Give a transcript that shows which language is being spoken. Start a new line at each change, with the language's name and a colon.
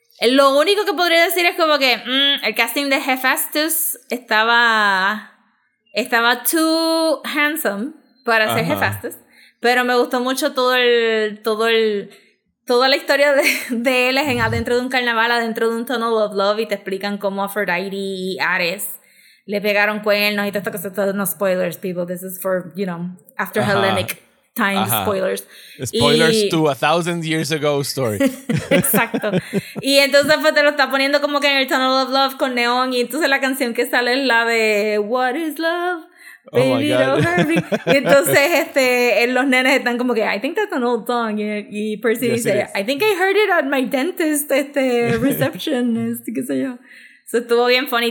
Spanish: Lo único que podría decir es como que el casting de Hephaestus estaba
English: too handsome
Spanish: para ser Hephaestus, pero me gustó mucho toda la historia de él es en adentro de un carnaval, adentro de un tunnel of love, y te explican cómo Aphrodite y Ares le pegaron cuernos y todo esto.
English: No spoilers, people. This is for, you know, after Hellenic times, spoilers. Spoilers to a thousand years ago story.
Spanish: Exacto. Y entonces pues te lo está poniendo como que en el Tunnel of Love con Neon. Y entonces la canción que sale es la de
English: What is Love? Baby, oh my God. Don't hurt me.
Spanish: Y entonces los nenes están como que
English: I think that's an old song.
Spanish: Y Percy dice,
English: I think I heard it at my dentist receptionist.
Spanish: Qué sé yo. Eso estuvo bien
English: funny.